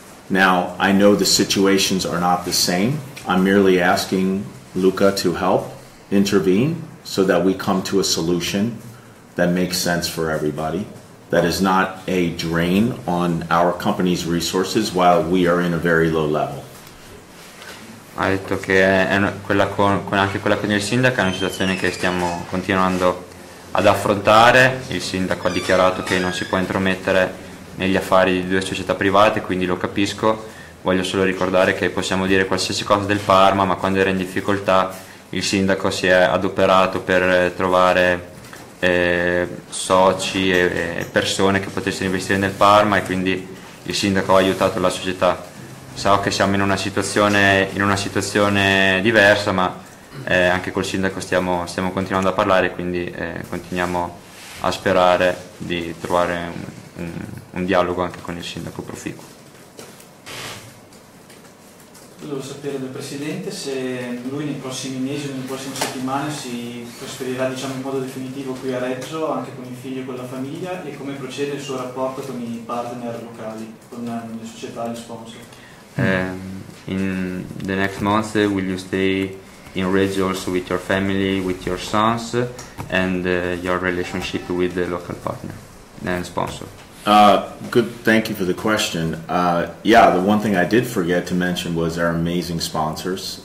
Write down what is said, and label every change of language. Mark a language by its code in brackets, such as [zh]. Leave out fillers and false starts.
[en] Now, I know the situations are not the same. I'm merely asking Luca to help intervene so that we come to a solution that makes sense for everybody, that is not a drain on our company's resources while we are in a very low level. [it] Ha detto che è quella con il sindaco, è una situazione che stiamo continuando ad affrontare. Il sindaco ha dichiarato che non si può intromettere negli affari di due società private, quindi lo capisco. Voglio solo ricordare che possiamo dire qualsiasi cosa del Parma, ma quando era in difficoltà il sindaco si è adoperato per trovare soci e persone che potessero investire nel Parma, e quindi il sindaco ha aiutato la società. So che siamo in una situazione diversa, ma anche col sindaco stiamo continuando a parlare, quindi continuiamo a sperare di trovare un dialogo anche con il sindaco proficuo. Volevo sapere dal Presidente se lui nei prossimi mesi o nelle prossime settimane si trasferirà, diciamo, in modo definitivo qui a Reggio, anche con i figli e con la famiglia, e come procede il suo rapporto con i partner locali, con le società e gli sponsor. [en] In the next month, will you stay in Reggio also with your family, with your sons, and your relationship with the local partner and sponsor? Good, thank you for the question. The one thing I did forget to mention was our amazing sponsors.